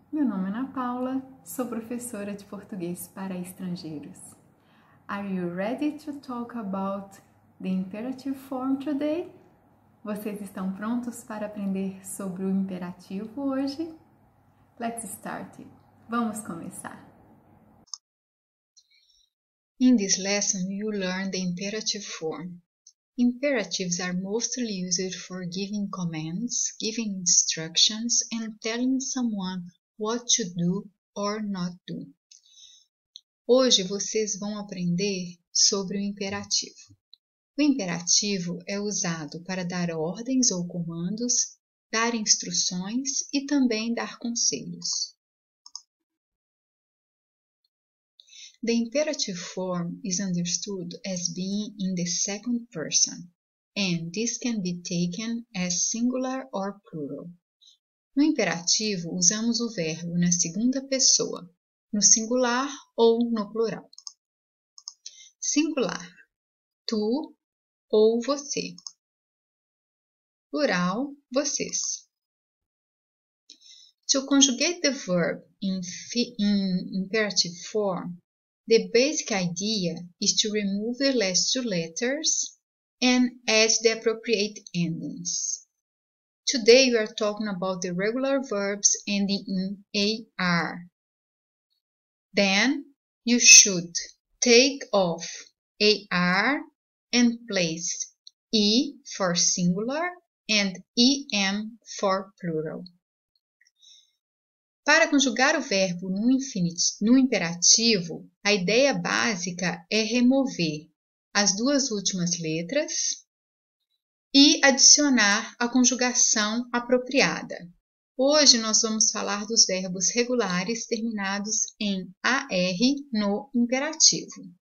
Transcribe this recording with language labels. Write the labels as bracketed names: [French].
[Portuguese] Meu nome é Ana Paula, sou professora de português para estrangeiros. [English] Are you ready to talk about the imperative form today? [Portuguese] Vocês estão prontos para aprender sobre o imperativo hoje? [English] Let's start it. [Portuguese] Vamos começar. [English] In this lesson, you learn the imperative form. Imperatives are mostly used for giving commands, giving instructions, and telling someone what to do or not do. [Portuguese] Hoje vocês vão aprender sobre o imperativo. O imperativo é usado para dar ordens ou comandos, dar instruções e também dar conselhos. [English] The imperative form is understood as being in the second person, and this can be taken as singular or plural. [Portuguese] No imperativo, usamos o verbo na segunda pessoa, no singular ou no plural. Singular, tu ou você. Plural, vocês. [English] To conjugate the verb in imperative form, the basic idea is to remove the last two letters and add the appropriate endings. Today we are talking about the regular verbs ending in AR. Then you should take off AR and place E for singular and EM for plural. [Portuguese] Para conjugar o verbo no imperativo, a ideia básica é remover as duas últimas letras e adicionar a conjugação apropriada. Hoje, nós vamos falar dos verbos regulares terminados em AR no imperativo.